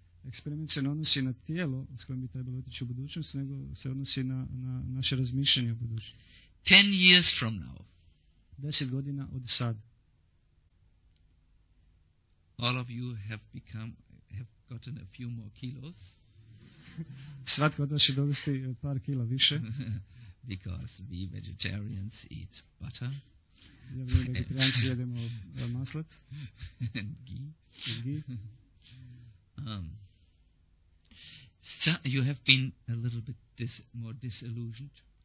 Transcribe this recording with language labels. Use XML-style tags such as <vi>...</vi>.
<hr>Eksperiment se ne odnosi na tijelo s kojim bi trebalo otići u budućnost, nego se odnosi na naše razmišljanje o budućnosti.</hr> <en>10 years from now.</en> <hr>10 godina od sad.</hr> <en>All of you have gotten a few more kilos.</en> <hr>Svatko od vas će dobiti par kila više.</hr> <en>Because we vegetarians eat butter.</en> <hr>Ja vidim vegetarijanci jedemo maslac.</hr> <en>And ghee. And ghee. You have been a little bit more disillusioned.</en>